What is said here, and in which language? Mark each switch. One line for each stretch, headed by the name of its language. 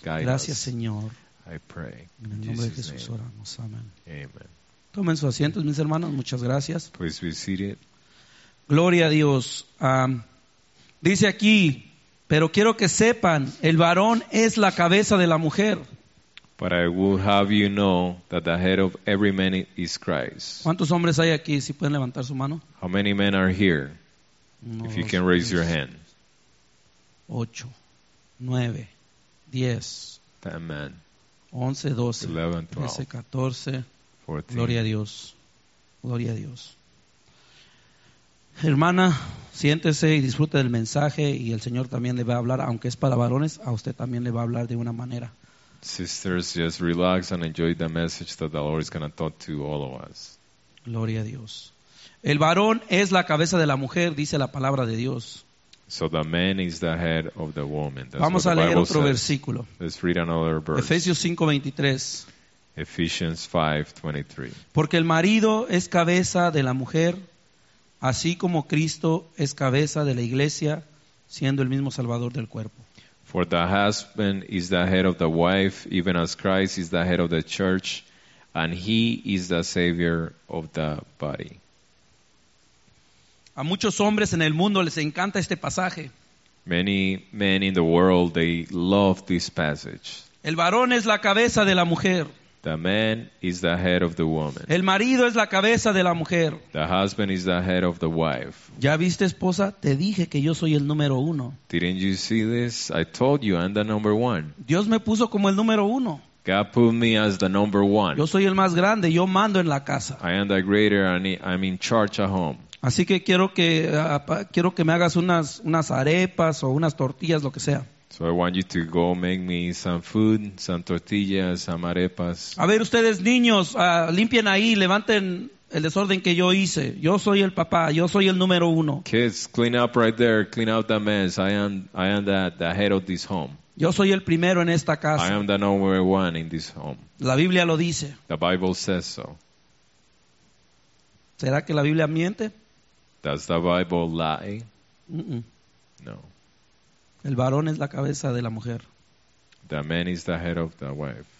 Spanish: Gracias Señor.
English: I pray.
Spanish: En el nombre de Jesús oramos. Amén.
English: Amen.
Spanish: Tomen sus asientos, mis hermanos. Muchas gracias.
English: Please be seated.
Spanish: Gloria a Dios. Dice aquí, pero quiero que sepan, el varón es la cabeza de la mujer.
English: But I will have you know that the head of every man is Christ.
Spanish: ¿Cuántos hombres hay aquí? Si pueden levantar su mano.
English: How many men are here? If you can raise your hand.
Spanish: 8, 9, 10.
English: 10 men.
Spanish: 11, 12, 11, 12, 13, 14, 14. Gloria a Dios, gloria a Dios. Hermana, siéntese y disfrute del mensaje y el Señor también le va a hablar, aunque es para varones, a usted también le va a hablar de una manera.
English: Sisters, just relax and enjoy the message that the Lord is going to talk to all of us.
Spanish: Gloria a Dios. El varón es la cabeza de la mujer, dice la palabra de Dios.
English: So the man is the head of the woman. That's
Spanish: vamos
English: what the
Spanish: a leer
English: Bible
Spanish: otro
English: says.
Spanish: Versículo.
English: Let's read another verse.
Spanish: Efesios 5:23.
English: Ephesians 5:23.
Spanish: Porque el marido es cabeza de la mujer, así como Cristo es cabeza de la iglesia, siendo el mismo salvador del cuerpo.
English: For the husband is the head of the wife, even as Christ is the head of the church, and he is the savior of the body.
Spanish: A muchos hombres en el mundo les encanta este pasaje.
English: Many men in the world, they love this passage.
Spanish: El varón es la cabeza de la mujer.
English: The man is the head of the woman.
Spanish: El marido es la cabeza de la mujer.
English: The husband is the head of the wife.
Spanish: ¿Ya viste, esposa? Te dije que yo soy el número uno.
English: Didn't you see this? I told you I'm the number one.
Spanish: Dios me puso como el número uno.
English: God put me as the number one.
Spanish: Yo soy el más grande, yo mando en la casa.
English: I am the greater and I'm in charge at home.
Spanish: Así que quiero que me hagas unas arepas o unas tortillas, lo que sea.
English: So I want you to go make me some food, some tortillas, some arepas.
Spanish: A ver, ustedes niños, limpien ahí, levanten el desorden que yo hice. Yo soy el papá, yo soy el número uno.
English: Kids, clean up right there, clean out that mess. I am the head of this home.
Spanish: Yo soy el primero en esta casa.
English: I am the number one in this home.
Spanish: La Biblia lo dice.
English: The Bible says so.
Spanish: ¿Será que la Biblia miente?
English: Does the Bible lie? Mm-mm.
Spanish: No. El varón es la cabeza de la mujer.
English: The man is the head of the wife.